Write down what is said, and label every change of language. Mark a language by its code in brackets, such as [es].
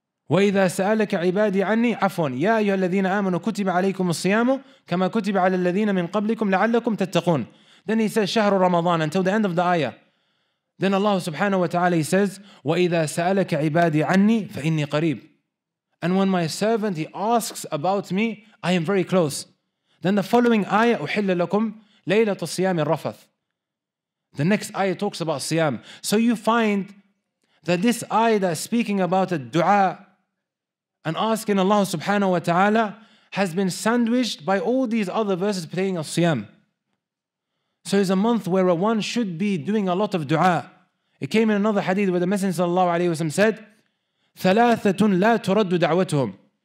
[ar] وَإِذَا سَأَلَكَ عِبَادِي عَنِّي عَفْوًا يَا أَيُّهَا الَّذِينَ آمَنُوا كُتِبَ عَلَيْكُمُ الصِّيَامُ كَمَا كُتِبَ عَلَى الَّذِينَ مِنْ قَبْلِكُمْ لَعَلَّكُمْ تَتَّقُونَ. [en] Then he says, [ar] شهر رمضان, [en] until the end of the ayah. Then Allah subhanahu wa ta'ala, he says, [ar] وَإِذَا سَأَلَكَ عِبَادِي عَنِّي فَإِنِّي قَرِيبٌ. [en] And when my servant, he asks about me, I am very close. Then the following ayah, [ar] أُحِلَّ لَكُمْ لَيْلَةُ الصِّيَامِ الرَّفَثُ. [en] The next ayah talks about siyam. So you find that this ayah that is speaking about a dua and asking Allah subhanahu wa ta'ala has been sandwiched by all these other verses pertaining to siyam. So it's a month where one should be doing a lot of dua. It came in another hadith where the Messenger sallallahu alayhi wa sallam said, [ar] ثَلَاثَةٌ لَا تُرَدُّ دَعْوَتُهُمْ.